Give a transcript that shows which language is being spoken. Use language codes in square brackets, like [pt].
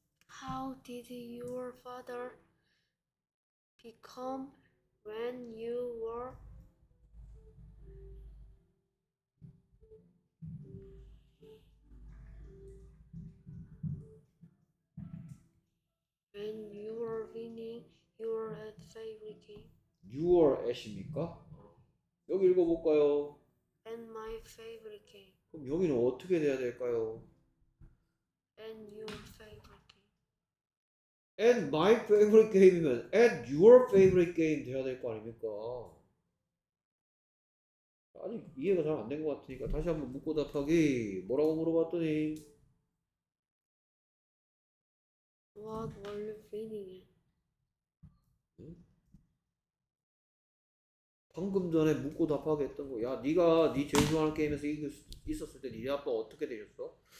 [en] How did your father become when you were When you are winning, you are at favorite game. You are at입니까? [ko] 여기 읽어볼까요? [en] And my favorite game. [ko] 그럼 여기는 어떻게 돼야 될까요? [en] And your favorite game. And my favorite game이면 and your favorite game [ko] 돼야 될 거 아닙니까? 아직 이해가 잘 안 된 것 같으니까 다시 한번 묻고 답하기. 뭐라고 물어봤더니 [en] What were you feeling? [ko] 방금 전에 묻고 답하게 했던 거야. 네가 네 제일 좋아하는 게임에서 있었을 때 네 아빠가 어떻게 되셨어?